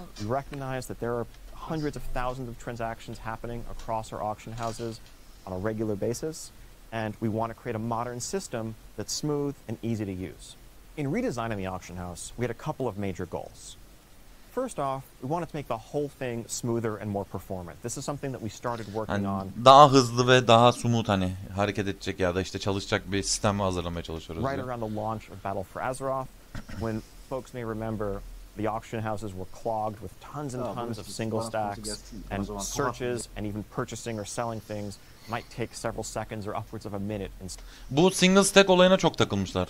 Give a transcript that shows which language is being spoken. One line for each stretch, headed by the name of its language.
English: We recognize that there are hundreds of thousands of transactions happening across our auction houses on a regular basis, and we want to create a modern system that's smooth and easy to use. In redesigning the auction house, we had a couple of major goals. First off, we wanted to make the whole thing smoother and more performant. This is something that we started working on.
Turkish: Daha hızlı ve daha smooth, hani hareket edecek ya da işte çalışacak bir sistem hazırlamaya çalışıyoruz.
English: Right around the launch of Battle for Azeroth, when folks may remember, the auction houses were clogged with tons and tons of single stacks, and searches and even purchasing or selling things might take several seconds or upwards of a minute.
Turkish: Bu single stack olayına çok takılmışlar.